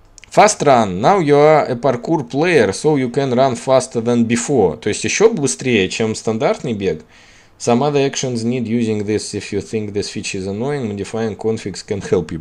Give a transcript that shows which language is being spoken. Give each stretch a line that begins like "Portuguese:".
English: Fast run, now you are a parkour player, so you can run faster than before.
Russian: То есть еще быстрее, чем стандартный бег.
English: Some other actions need using this, if you think this feature is annoying, modifying configs can help you.